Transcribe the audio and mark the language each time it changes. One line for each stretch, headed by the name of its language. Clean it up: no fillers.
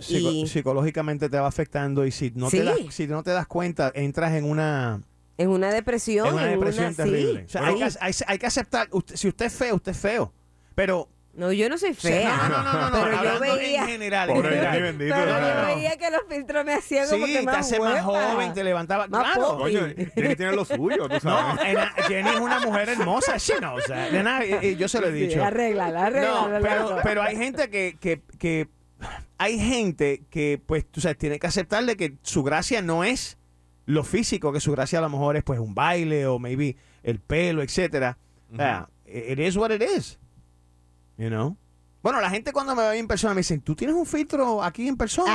Spanish: Psicológicamente te va afectando, y si no te das cuenta, entras en una... En una depresión. En una depresión terrible. Sí. O sea, hay que aceptar, si usted es feo, usted es feo. Pero... No, yo no soy fea. Pero yo veía que los filtros me hacían como que más guapa. Sí, te hace más joven, te levantaba. Más claro. Poppy. Coño, Jenny tiene lo suyo, tú sabes. No, Jenny es una mujer hermosa,
English: she knows that.
Spanish: Yo se lo he dicho. Sí, arregla. No, pero hay gente que pues, tú sabes, tiene que aceptarle que su gracia no es lo físico, que su gracia a lo mejor es, pues, un baile o maybe el pelo, etcétera. Uh-huh.
English: It is what it is. You know?
Spanish: Bueno, la gente cuando me ve en persona me dicen, ¿tú tienes un filtro aquí en persona?